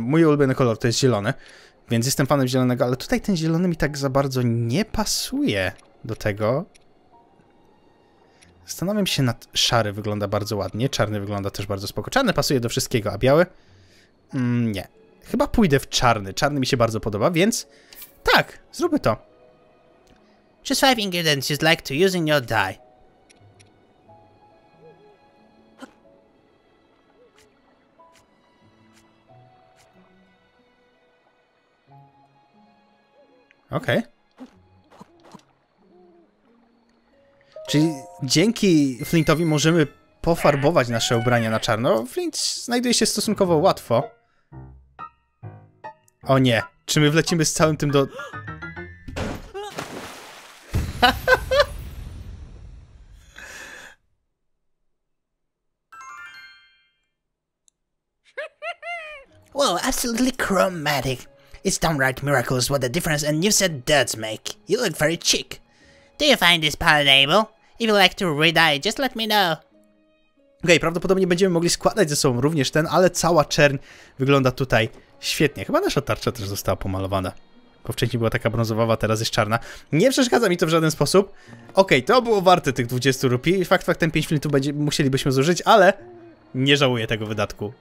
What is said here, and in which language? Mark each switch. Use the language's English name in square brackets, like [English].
[Polish] Mój ulubiony kolor to jest zielony. Więc jestem fanem zielonego, ale tutaj ten zielony mi tak za bardzo nie pasuje do tego. Zastanawiam się nad... Szary wygląda bardzo ładnie. Czarny wygląda też bardzo spoko. Czarny pasuje do wszystkiego, a biały? Nie. Chyba pójdę w czarny. Czarny mi się bardzo podoba, więc... Tak, zróbmy to. [English] Choose 5 ingredients you'd like to use in your dye. [Polish] Okej. Okay. Czyli dzięki Flintowi możemy pofarbować nasze ubrania na czarno. Flint znajduje się stosunkowo łatwo. O nie. Czy my wlecimy z całym tym do... [English] Wow, absolutely chromatic. It's downright miraculous what a difference a new set does make. You look very chic. Do you find this palette able? If you like to redye, just let me know. [Polish] Okej, prawdopodobnie będziemy mogli składać ze sobą również ten, ale cała czerń wygląda tutaj świetnie. Chyba nasza tarcza też została pomalowana, bo wcześniej była taka brązowa, teraz jest czarna. Nie przeszkadza mi to w żaden sposób. Okej, to było warte tych 20 rupii. Fakt, ten 5 flintów musielibyśmy zużyć, ale nie żałuję tego wydatku.